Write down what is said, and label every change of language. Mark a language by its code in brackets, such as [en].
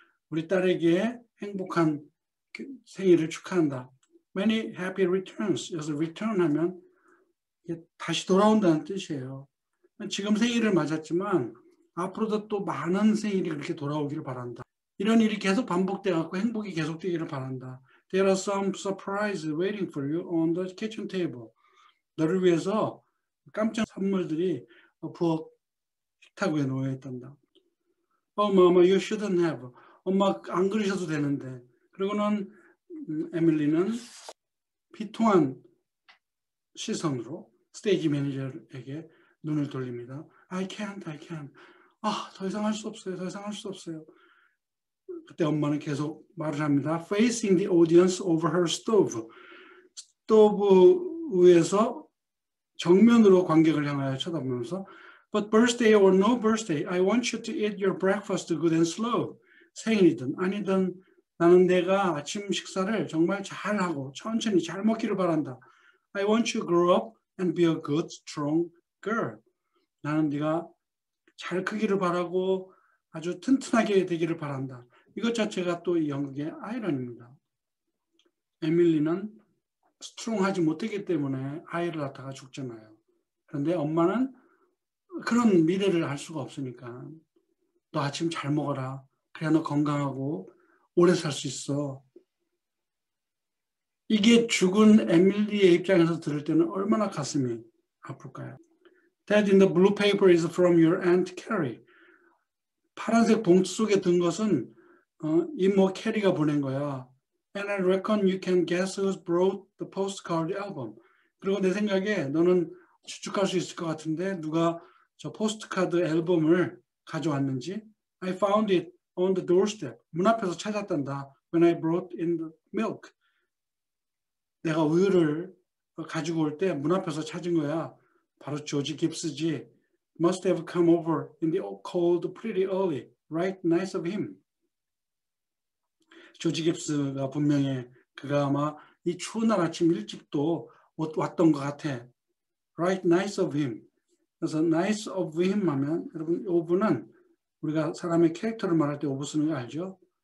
[ko] 우리 딸에게 행복한 생일을 축하한다. [en] Many happy returns. [ko] 여기서 return 하면 다시 돌아온다는 뜻이에요. 지금 생일을 맞았지만 앞으로도 또 많은 생일이 그렇게 돌아오기를 바란다. 이런 일이 계속 반복돼 갖고 행복이 계속되기를 바란다. [en] There are some surprises waiting for you on the kitchen table. [ko] 너를 위해서 깜짝 선물들이 부엌 식탁 위에 놓여 있단다. [en] Oh, Mama, you shouldn't have. [ko] 엄마 안 그러셔도 되는데. 그리고는 에밀리는 비통한 시선으로 스테이지 매니저에게 눈을 돌립니다. [en] I can't, I can't. [ko] 아, 더 이상 할수 없어요. 더 이상 할수 없어요. 그때 엄마는 계속 말을 합니다. [en] Facing the audience over her stove. [ko] 스토브 위에서 정면으로 관객을 향하여 쳐다보면서 [en] But birthday or no birthday, I want you to eat your breakfast good and slow. [ko] 생일이든 아니든 나는 내가 아침 식사를 정말 잘하고 천천히 잘 먹기를 바란다. [en] I want you to grow up and be a good, strong girl. [ko] 나는 네가 잘 크기를 바라고 아주 튼튼하게 되기를 바란다. 이것 자체가 또이 연극의 아이러니입니다. 에밀리는 스트롱하지 못했기 때문에 아이를 낳다가 죽잖아요. 그런데 엄마는 그런 미래를 알 수가 없으니까 너 아침 잘 먹어라. 그래야 너 건강하고 오래 살수 있어. 이게 죽은 에밀리의 입장에서 들을 때는 얼마나 가슴이 아플까요? [en] Dad, in the blue paper is from your aunt Carrie. [ko] 파란색 봉투 속에 든 것은 이모 캐리가 보낸 거야. [en] And I reckon you can guess who's brought the postcard album. [ko] 그리고 내 생각에 너는 추측할 수 있을 것 같은데 누가 저 포스트카드 앨범을 가져왔는지. [en] I found it on the doorstep. [ko] 문 앞에서 찾았단다. [en] When I brought in the milk. [ko] 내가 우유를 가지고 올때문 앞에서 찾은 거야. 바로 조지 깁스지. [en] must have come over in the cold pretty early. Right, nice of him. [ko] 조지 깁스가 분명히 그가 아마 이 추운 날 아침 일찍도 왔던 것 같아. [en] Right, nice of him. [ko] 그래서 nice of him 하면 여러분 오브는 우리가 사람의 캐릭터를 말할 때 오브 쓰는 거 알죠?